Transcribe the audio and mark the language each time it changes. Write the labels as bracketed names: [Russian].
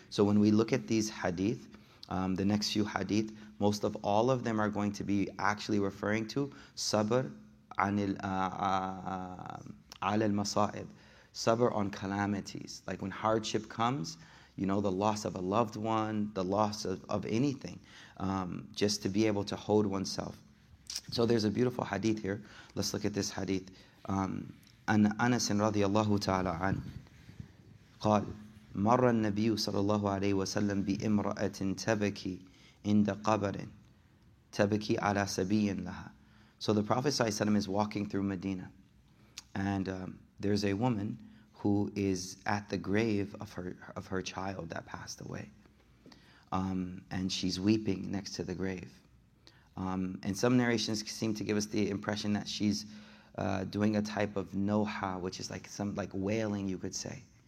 [English] So when we look at these hadith, the next few hadith, most of all of them are going to be actually referring to sabr anil alal masa'ib, sabr on calamities. Like when hardship comes, you know, the loss of a loved one, the loss of anything, just to be able to hold oneself. So there's a beautiful hadith here. Let's look at this hadith. [Arabic] An Anas radiallahu ta'ala an, قال مر النبي صلى الله عليه وسلم بامرأة تبكي عند قبر تبكي على سبي لها. [English] So the Prophet صلى الله عليه وسلم is walking through Medina, and there's a woman who is at the grave of her child that passed away, and she's weeping next to the grave, and some narrations seem to give us the impression that she's doing a type of noha, which is like some like wailing, you could say.